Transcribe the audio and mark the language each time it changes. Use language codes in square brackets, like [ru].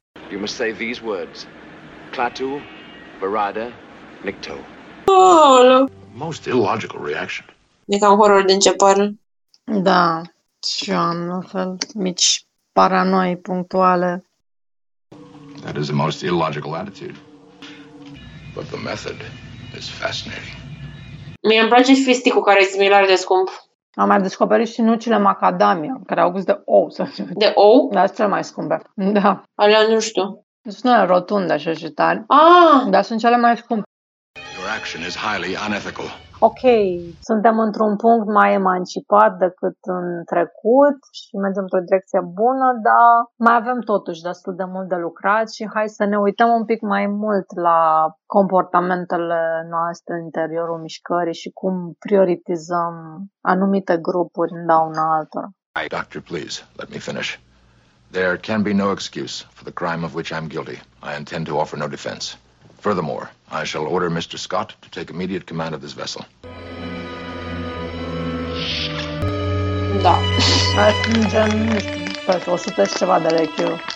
[en] You must say these words. Clatu, Barada, Nicto. Oh, most illogical reaction. [ro] E cam horror de începare. Da, și eu am la fel mici paranoi punctuale. [en] That is the most illogical attitude. But the method is fascinating. [ro] Mie îmi place și fisticul care e similar de scump. Am mai descoperit și nucile macadamia, care au gust de ou. De ou? Da, sunt cele mai scumpe. Da. Alea nu știu. Sunt alea rotunde așa și tari. Ah! Dar sunt cele mai scumpe. [en] Your action is highly unethical. [ro] Ok, suntem într-un punct mai emancipat decât în trecut și mergem într-o direcție bună, dar mai avem totuși destul de mult de lucrat și hai să ne uităm un pic mai mult la comportamentele noastre în interiorul mișcării și cum prioritizăm anumite grupuri în dauna altora. [en] Doctor, please, let me finish. There can be no excuse for the crime of which I'm guilty. I intend to offer no defense. Furthermore, I shall order Mr. Scott to take immediate command of this vessel. [ro] Da. Ajungem, sper, 100 și ceva de lechiu.